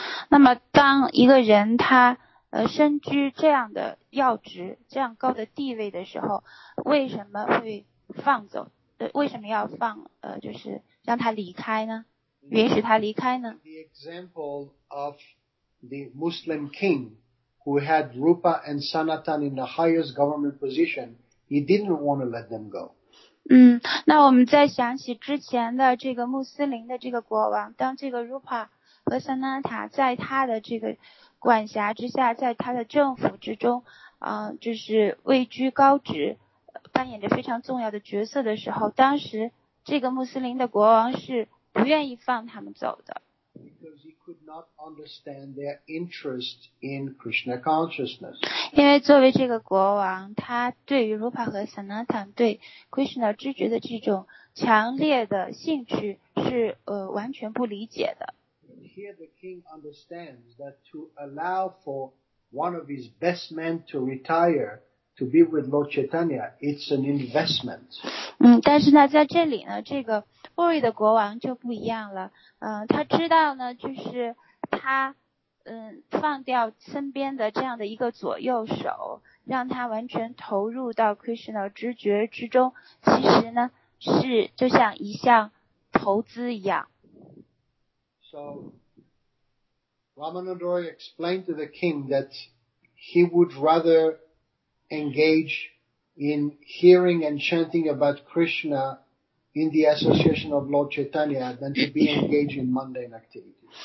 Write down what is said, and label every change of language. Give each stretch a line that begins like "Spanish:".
Chinese: 那么当一个人他身居这样的要职，这样高的地位的时候，为什么会放走为什么要放就是让他离开呢，允许他离开呢？
English: The example of the Muslim king who had Rupa and Sanatan in the highest government position, he didn't want to let them go.
Chinese: 那我们再想起之前的这个穆斯林的这个国王，当这个 Rupa 和 Sanatan 在他的这个管辖之下，在他的政府之中就是位居高职，扮演着非常重要的角色的时候，当时这个穆斯林的国王是不愿意放他们走的。
English: Because he could not understand their interest in Krishna consciousness.
Chinese: 因为作为这个国王，他对于 Rupa 和 Sanatan 对 Krishna 知觉的这种强烈的兴趣是完全不理解的。
English: Here the king understands that to allow for one of his best men to retire to be with Lord Chaitanya, it's an investment.
Chinese: 但是呢，在这里呢，这个沃瑞的国王就不一样了。他知道呢，就是他放掉身边的这样的一个左右手，让他完全投入到 Krishna 知觉之中，其实呢是就像一项投资一样。
English: So, Ramananda Roy explained to the king that he would rather engage in hearing and chanting about Krishna in the association of Lord Chaitanya than to be engaged in mundane activities.